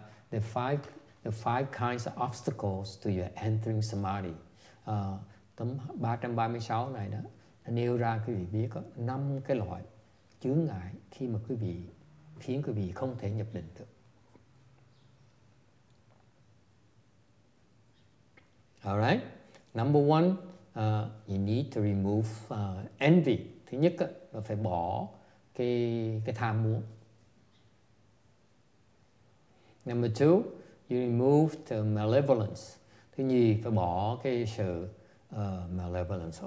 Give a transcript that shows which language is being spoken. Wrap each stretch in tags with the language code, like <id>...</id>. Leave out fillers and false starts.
<en>The five kinds of obstacles to your entering samadhi.</en> <vi>Tấm 336 này đó nêu ra quý vị biết có năm cái loại chướng ngại khi mà quý vị khiến quý vị không thể nhập định được.</vi> <en>Alright, number one, you need to remove envy.</en> <vi>Thứ nhất là phải bỏ cái tham muốn.</vi> <en>Number two, you remove the malevolence.</en> <vi>Thứ nhì, phải bỏ cái sự</vi> <en>malevolence.</en>